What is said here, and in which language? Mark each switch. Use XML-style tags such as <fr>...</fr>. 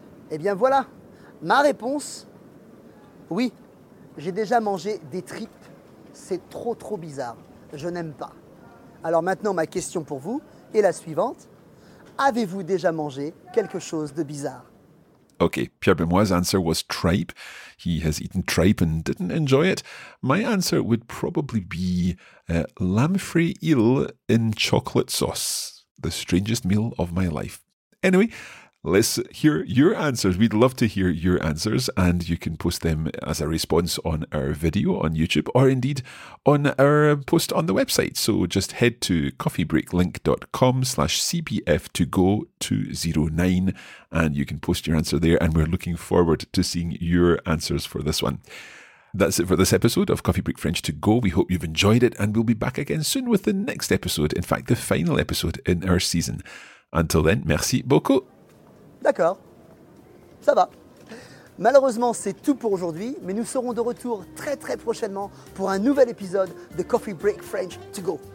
<fr>Eh bien, voilà ma réponse. Oui, j'ai déjà mangé des tripes. C'est trop, trop bizarre. Je n'aime pas. Alors maintenant, ma question pour vous est la suivante. Avez-vous déjà mangé quelque chose de bizarre?</fr> <en>Okay, Pierre Benoit's answer was tripe. He has eaten tripe and didn't enjoy it. My answer would probably be lamprey eel in chocolate sauce. The strangest meal of my life. Anyway, let's hear your answers. We'd love to hear your answers, and you can post them as a response on our video on YouTube, or indeed on our post on the website. So just head to coffeebreaklink.com/cbf2go209, and you can post your answer there, and we're looking forward to seeing your answers for this one. That's it for this episode of Coffee Break French to Go. We hope you've enjoyed it, and we'll be back again soon with the next episode, in fact, the final episode in our season. Until then,</en> <fr>merci beaucoup. D'accord, ça va. Malheureusement, c'est tout pour aujourd'hui, mais nous serons de retour très très prochainement pour un nouvel épisode de Coffee Break French to Go.</fr>